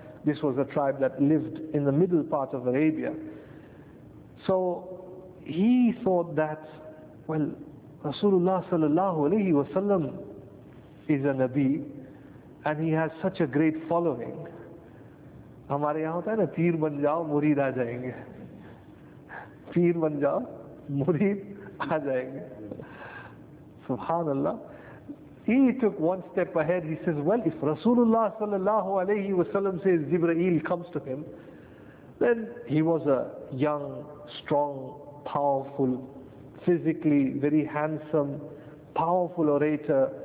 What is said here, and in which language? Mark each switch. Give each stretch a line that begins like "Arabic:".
English: This was a tribe that lived in the middle part of Arabia. So he thought that, well, Rasulullah sallallahu alayhi wa sallam is a Nabi and he has such a great following.
Urdu: ہمارے یہاں ہوتا ہے نا، پیر بن جاؤ، مرید آ جائیں گے۔ پیر بن جاؤ، مرید آ جائیں گے۔
English: Subhanallah. He took one step ahead. He says, well, if Rasulullah sallallahu alayhi wa sallam says Jibreel comes to him, then he was a young, strong, powerful, physically very handsome, powerful orator.